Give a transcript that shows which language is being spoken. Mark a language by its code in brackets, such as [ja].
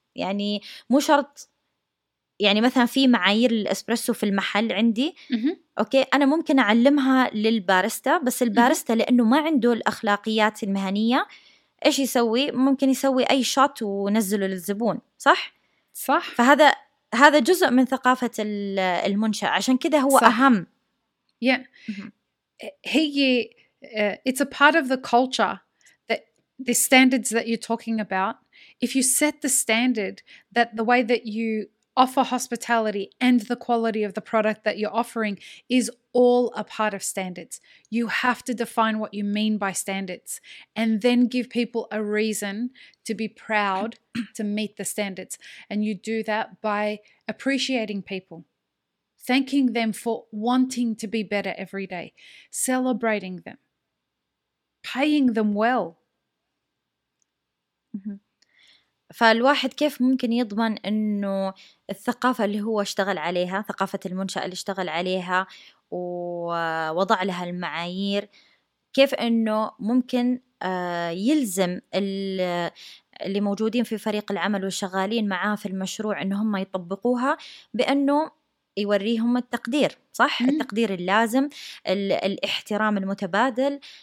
[ar] يعني مو شرط، يعني مثلا في معايير الإسبرسو في المحل عندي أوكي، أنا ممكن أعلمها للبارستا، بس البارستا لأنه ما عنده الأخلاقيات المهنية إيش يسوي؟ ممكن يسوي أي شوت ونزله للزبون صح؟ صح. فهذا جزء من ثقافة المنشأة، عشان كده هو صح. أهم [en] هي it's a part of the culture that the standards that you're talking about. If you set the standard that the way that you offer hospitality and the quality of the product that you're offering is all a part of standards, you have to define what you mean by standards and then give people a reason to be proud to meet the standards. And you do that by appreciating people, thanking them for wanting to be better every day, celebrating them. Paying them well. [ar] فالواحد كيف ممكن يضمن إنه الثقافة اللي هو اشتغل عليها، ثقافة المنشأة اللي اشتغل عليها ووضع لها المعايير، كيف إنه ممكن يلزم اللي موجودين في فريق العمل والشغالين معاه في المشروع إن هم يطبقوها، بأنه يوريهم التقدير صح؟ التقدير اللازم، الاحترام المتبادل،